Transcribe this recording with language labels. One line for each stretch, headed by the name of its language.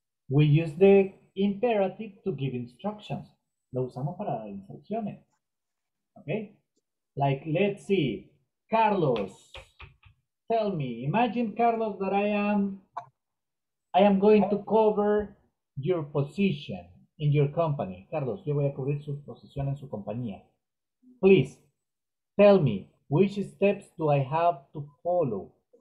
English: We use the imperative to give instructions.
Spanish: Lo usamos para dar instrucciones.
English: Okay? Like, let's see. Carlos, tell me. Imagine, Carlos, that I am going to cover your position in your company.
Spanish: Carlos, yo voy a cubrir su posición en su compañía.
English: Please, tell me, which steps do I have to follow?